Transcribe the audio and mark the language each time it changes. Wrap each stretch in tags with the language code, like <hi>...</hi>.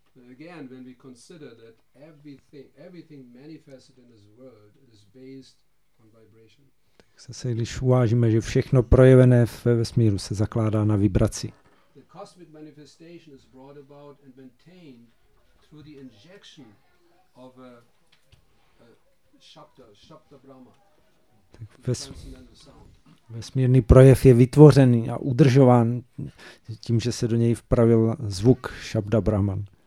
<en>Again, when we consider that everything manifested in this world is based on vibration.</en> <cs>Tak zase, když uvážíme, že všechno projevené ve vesmíru se zakládá na vibraci.</cs> <en>The cosmic manifestation is brought about and maintained through the injection of a shabda brahma.</en> <cs>Tak vesmírný projev je vytvořen a udržován tím, že se do něj vpravil zvuk šabda brahman.</cs>